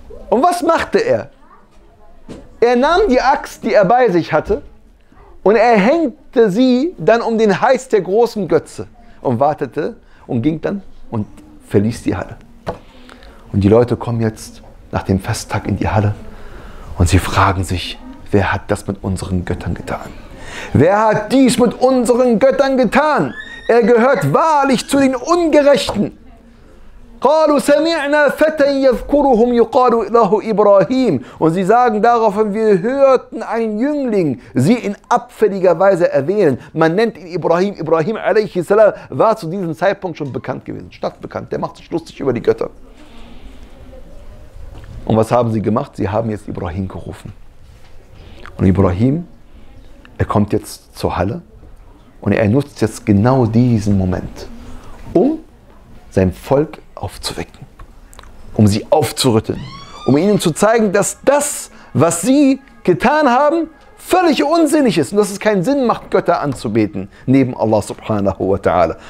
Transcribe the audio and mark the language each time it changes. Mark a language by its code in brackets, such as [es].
[de] Und was machte er? Er nahm die Axt, die er bei sich hatte, und er hängte sie dann um den Hals der großen Götze und wartete, und ging dann und verließ die Halle. Und die Leute kommen jetzt nach dem Festtag in die Halle und sie fragen sich, wer hat das mit unseren Göttern getan? Wer hat dies mit unseren Göttern getan? Er gehört wahrlich zu den Ungerechten. [ar] قالوا سمعنا فتى يذكرهم يقال له إبراهيم. [de] Und sie sagen daraufhin, wir hörten einen Jüngling sie in abfälliger Weise erwähnen. Man nennt ihn Ibrahim. Ibrahim alayhi salam war zu diesem Zeitpunkt schon bekannt gewesen, stadtbekannt. Der macht sich lustig über die Götter. Und was haben sie gemacht? Sie haben jetzt Ibrahim gerufen. Und Ibrahim, er kommt jetzt zur Halle und er nutzt jetzt genau diesen Moment, um sein Volk aufzuwecken, um sie aufzurütteln, um ihnen zu zeigen, dass das, was sie getan haben, völlig unsinnig ist und dass es keinen Sinn macht, Götter anzubeten, neben Allah subhanahu wa ta'ala.